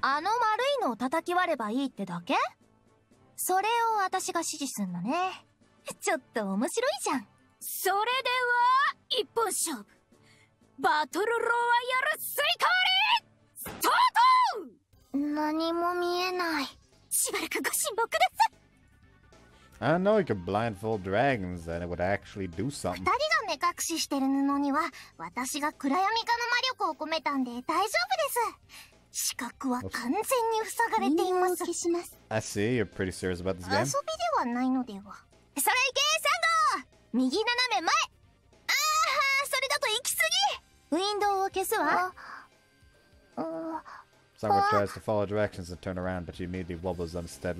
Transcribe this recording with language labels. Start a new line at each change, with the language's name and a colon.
Japanese: あの丸いのを叩き割ればいいってだけ？それを私が指示すんのね。ちょっと面白いじゃん。それでは一本勝負、バトルロワイヤルスイカ割りスタート。何も見えない。しばらくご辛抱です。
English: I know you could blindfold dragons and it would actually do something。
Japanese: 2人が目隠ししてる布には私が暗闇化の魔力を込めたんで大丈夫です。視覚は完全に塞がれています。
English: I see you're pretty serious about this game。
Japanese: 遊びではないのでは。それいけ、3号右斜め前。あー、それだと行き過ぎ。ウィンドウを消すわ。
English: Someone tries to follow directions and turn around, but she immediately wobbles unsteadily.